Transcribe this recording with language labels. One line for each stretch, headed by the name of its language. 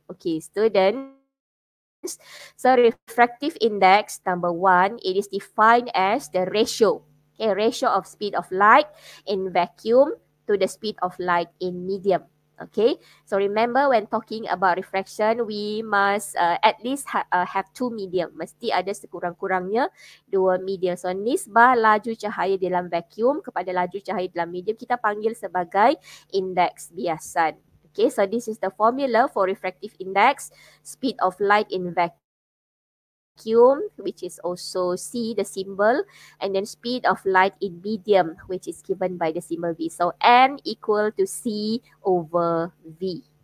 English: Okay, student. So refractive index, number one, it is defined as the ratio. Okay, ratio of speed of light in vacuum to the speed of light in medium. Okay, so remember when talking about refraction, we must at least have two medium.
Malay: Mesti ada sekurang-kurangnya dua medium. So nisbah laju cahaya dalam vacuum kepada laju cahaya dalam medium kita panggil sebagai index biasan.
English: Okay, so this is the formula for refractive index, speed of light in vacuum, which is also C, the symbol, and then speed of light in medium, which is given by the symbol V. So N equal to C over V.